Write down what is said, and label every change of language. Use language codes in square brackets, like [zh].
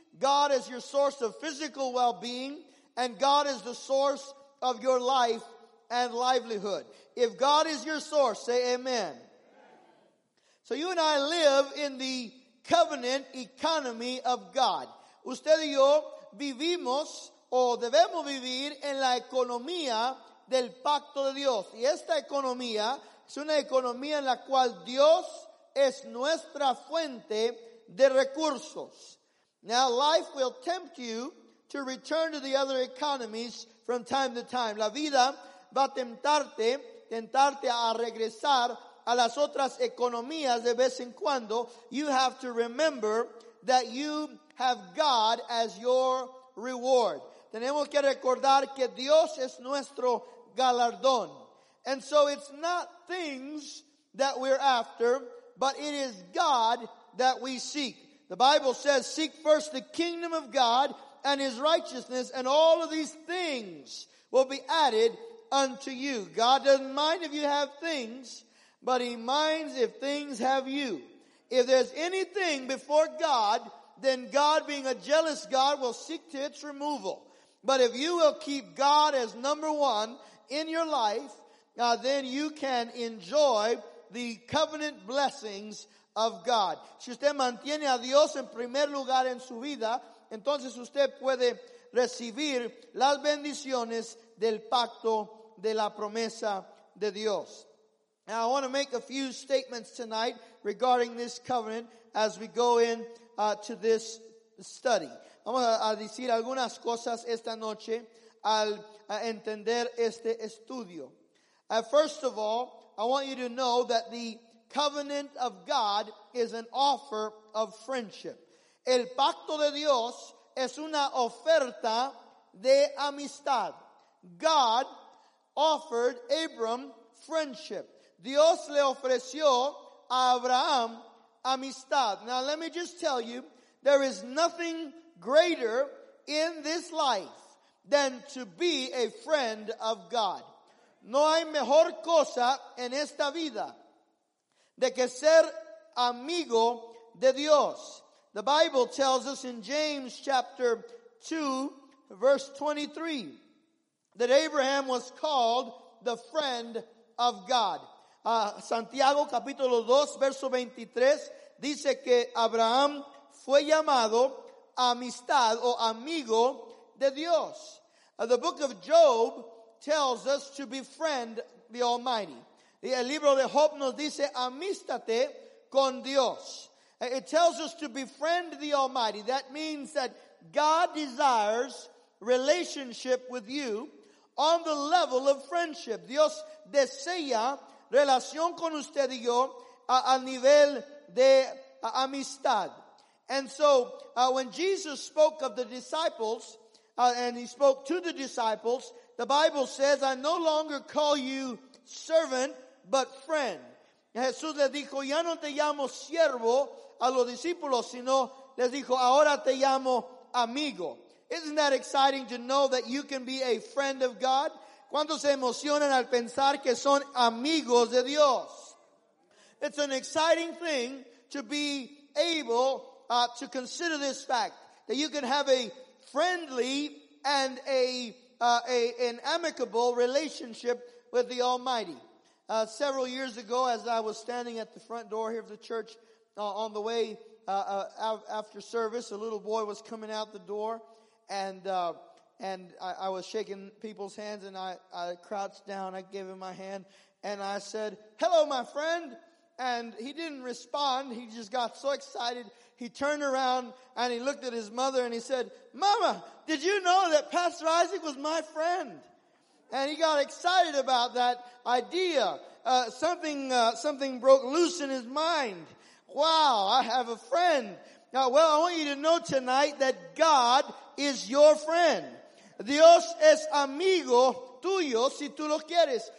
[en] God is your source of physical well-being. And God is the source of your life and livelihood. If God is your source, say amen. So you and I live in the covenant economy of God. [es] Usted y yo vivimos o debemos vivir en la economía del pacto de Dios. Y esta economía es una economía en la cual Dios es nuestra fuente de recursos. [en] Now life will tempt you to return to the other economies from time to time. [es] La vida va a tentarte a regresar a las otras economías de vez en cuando. [en] You have to remember that you have God as your reward. [es] Tenemos que recordar que Dios es nuestro galardón. [en] And so it's not things that we're after, but it is God that we seek. The Bible says, "Seek first the kingdom of God and his righteousness, and all of these things will be added unto you." God doesn't mind if you have things, but he minds if things have you. If there's anything before God, then God, being a jealous God, will seek to its removal. But if you will keep God as number one in your life, then you can enjoy the covenant blessings of God. [es] Si usted mantiene a Dios en primer lugar en su vida, entonces usted puede recibir las bendiciones del pacto de la promesa de Dios. [en] Now I want to make a few statements tonight regarding this covenant as we go in to this study. [es] Vamos a decir algunas cosas esta noche al entender este estudio. [en] First of all, I want you to know that the covenant of God is an offer of friendship. [es] El pacto de Dios es una oferta de amistad. [en] God offered Abram friendship. [es] Dios le ofreció a Abraham amistad. [en] Now let me just tell you, there is nothing greater in this life than to be a friend of God. [es] No hay mejor cosa en esta vida de que ser amigo de Dios. [en] The Bible tells us in James chapter 2, verse 23, that Abraham was called the friend of God. [es] Santiago capítulo 2, verso 23, dice que Abraham fue llamado amistad o amigo de Dios. [en] The book of Job tells us to befriend the Almighty. [es] El libro de Job nos dice, amístate con Dios. [en] It tells us to befriend the Almighty. That means that God desires relationship with you on the level of friendship. [es] Dios desea relación con usted y yo a nivel de amistad. [en] And so when Jesus spoke of the disciples, and he spoke to the disciples, the Bible says, "I no longer call you servant, but friend." [es] Jesús les dijo, "Ya no te llamo siervo," a los discípulos, sino les dijo, "Ahora te llamo amigo." [en] Isn't that exciting to know that you can be a friend of God? [es] ¿Cuántos se emocionan al pensar que son amigos de Dios? [en] It's an exciting thing to be able to consider this fact, that you can have a friendly and an amicable relationship with the Almighty. Several years ago, as I was standing at the front door here of the church on the way after service, a little boy was coming out the door, and I was shaking people's hands, and I crouched down, I gave him my hand, and I said, "Hello, my friend." And he didn't respond. He just got so excited. he turned around and he looked at his mother and he said, "Mama, did you know that Pastor Isaac was my friend?" And he got excited about that idea. Something broke loose in his mind. Wow, I have a friend. Now, well, I want you to know tonight that God is your friend. [es] Dios es amigo tuyo si tú lo quieres.